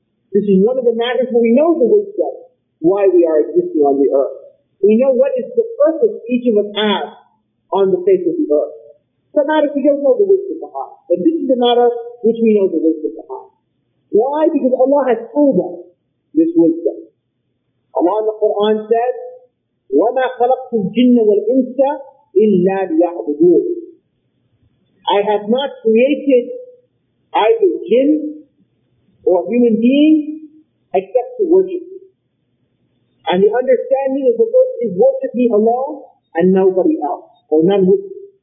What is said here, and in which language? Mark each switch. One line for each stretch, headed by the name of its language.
English: This is one of the matters where we know the wisdom, why we are existing on the earth. We know what is the purpose each of us has on the face of the earth. It's a matter we don't know the wisdom behind. But this is a matter which we know the wisdom behind. Why? Because Allah has told us this wisdom. Allah in the Quran says,
Arabic: وَمَا خَلَقْتُ الْجِنَّ وَالْإِنسَ إِلَّا لِيَعْبُدُونَ.
English: I have not created either jinn or human being except to worship me. And the understanding of the verse is worship me alone and nobody else, or none with me.